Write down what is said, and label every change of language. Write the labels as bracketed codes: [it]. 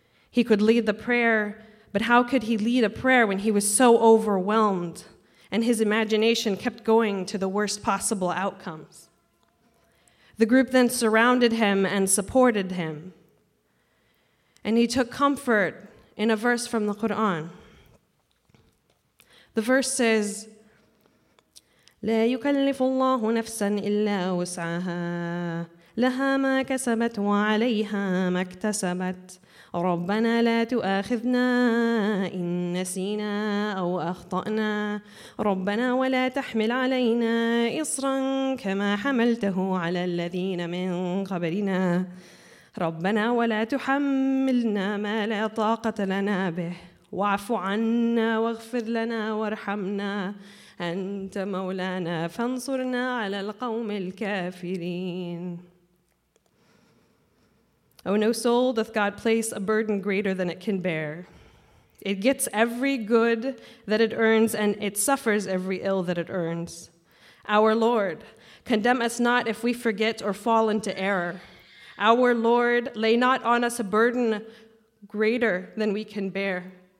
[en] He could lead the prayer, but how could he lead a prayer when he was so overwhelmed and his imagination kept going to the worst possible outcomes? The group then surrounded him and supported him. And he took comfort in a verse from the Quran. The verse says, [ar] لا يكلف الله نفسا إلا وسعها لها ما كسبت وعليها ما اكتسبت ربنا لا تؤاخذنا إن نسينا أو أخطأنا ربنا ولا تحمل علينا إصرا كما حملته على الذين من قبلنا ربنا ولا تحملنا ما لا طاقة لنا به واعف عنا واغفر لنا وارحمنا أنت مولانا فانصرنا على القوم الكافرين. [en] Oh, no soul doth God place a burden greater than it can bear. It gets every good that it earns, and it suffers every ill that it earns. Our Lord, condemn us not if we forget or fall into error. Our Lord, lay not on us a burden greater than we can bear.